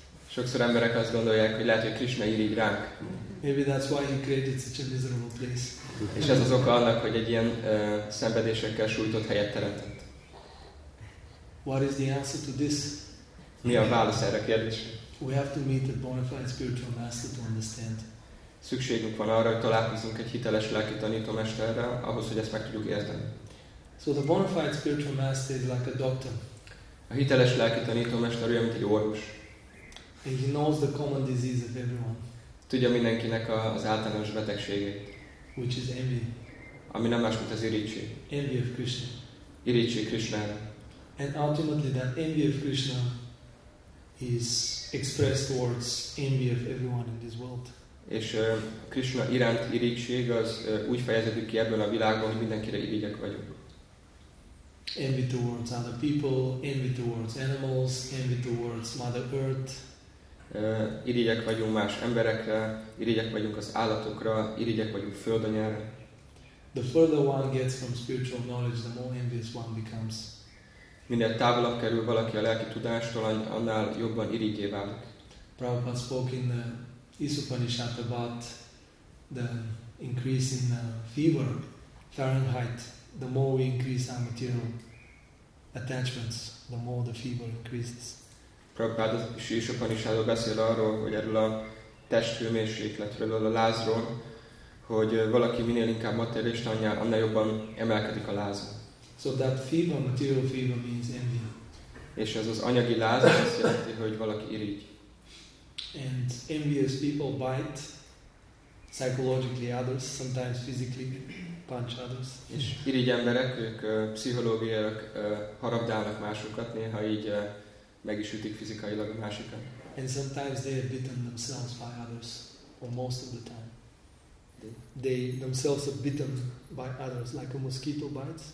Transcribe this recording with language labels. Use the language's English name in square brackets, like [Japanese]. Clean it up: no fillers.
[Hungarian] Sokszor emberek azt gondolják, hogy lehet, hogy Krishna irigy ránk. [English] Maybe that's why he created such a miserable place. [Hungarian] És ez az oka annak, hogy egy ilyen szenvedésekkel sújtott helyet teremtett. [English] What is the answer to this? [Hungarian] Mi a válasz erre a kérdésre? [English] We have to meet a bona fide spiritual master to understand. [Hungarian] Szükségünk van arra, hogy találkozunk egy hiteles lelki tanítómesterrel, ahhoz, hogy ezt meg tudjuk érteni. [English] So the bona fide spiritual master is like a doctor. [Hungarian] A hiteles lelki tanítómester olyan, mint egy orvos. [English] And he knows the common disease of everyone. [Hungarian] Tudja mindenkinek az általános betegségét. [English] Which is envy. [Hungarian] Ami nem más, mint az irigység. [English] Envy of Krishna. [Hungarian] Irigység Krishna. [English] And ultimately that envy of Krishna is expressed towards envy of everyone in this world. [Hungarian] És Krishna iránt irigység az úgy fejeződik ki ebből a világban, hogy mindenkire irigyek vagyok. [English] Envy towards other people, envy towards animals, envy towards Mother Earth. [Hungarian] Irigyek vagyunk más emberekre, irigyek vagyunk az állatokra, irigyek vagyunk földanyára. [English] The further one gets from spiritual knowledge, the more envious one becomes. [Hungarian] Minél távolabb kerül valaki a lelki tudástól, annál jobban irigyé válik. [English] Prabhupada spoke in the Isupanishad about the increase in fever, Fahrenheit. The more we increase our material attachments, the more the fever increases. [Hungarian] Prabhupada Isupanishadról beszél arról, hogy erről a testhőmérsékletről, a lázról, hogy valaki minél inkább materialista, annál jobban emelkedik a láz. [English] So that fever, material fever means envy. [Hungarian] És ez az anyagi láz azt jelenti, hogy valaki irigy. [English] And envious people bite psychologically others, sometimes physically punch others. [Hungarian] És irigy emberek, ők pszichológiailag harapdálnak másokat, néha így meg is ütik fizikailag a másikat. [English] And sometimes they are bitten themselves by others, or most of the time. They themselves are bitten by others, like a mosquito bites.